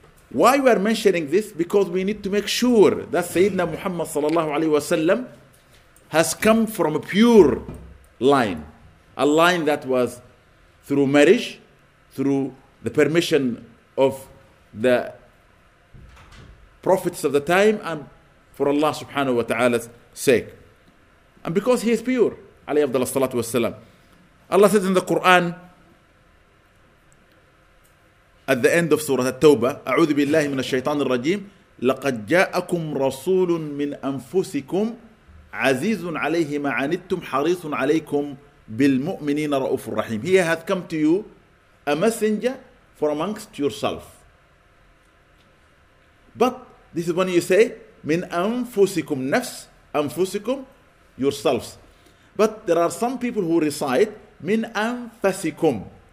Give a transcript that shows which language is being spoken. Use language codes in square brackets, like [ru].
[en] Why we are mentioning this? Because we need to make sure that Sayyidina Muhammad, sallallahu alayhi wa sallam, has come from a pure line. A line that was through marriage, through the permission of the prophets of the time and for Allah subhanahu wa ta'ala's sake. And because he is pure, alayhi afdal as-salatu wassalam. Allah says in the Quran, at the end of Surah At-Tawbah, [ar] أعوذ بالله من الشيطان الرجيم, لقد جاءكم رسول من أنفسكم عزيز عليه ما عنتم حريص عليكم بالمؤمنين رؤوف الرحيم. [en] He has come to you, a messenger from amongst yourself. But this is when you say, min anfusikum nafs, anfusikum, yourselves. But there are some people who recite, min anfasikum.